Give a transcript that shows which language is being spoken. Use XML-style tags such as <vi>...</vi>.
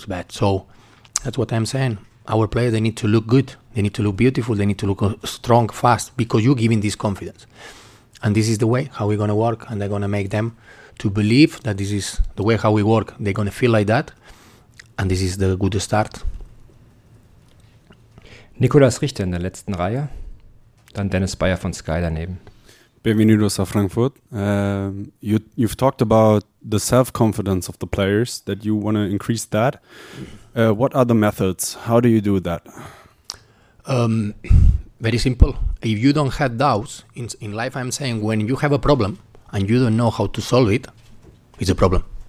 <en>So that's what I'm saying. Our players, they need to look good. They need to look beautiful. They need to look strong, fast, because you're giving this confidence. And this is the way how we're going to work, and they're going to make them to believe that this is the way how we work. They're going to feel like that, and this is the good start.</en> <de>Nicolas Richter in der letzten Reihe, dann Dennis Bayer von Sky daneben.</de> <es>Bienvenidos a Frankfurt.</es> <en>You've talked about the self-confidence of the players, that you want to increase that. What are the methods? How do you do that? Very simple. If you don't have doubts in life, I'm saying, when you have a problem and you don't know how to solve it, it's a problem.</en>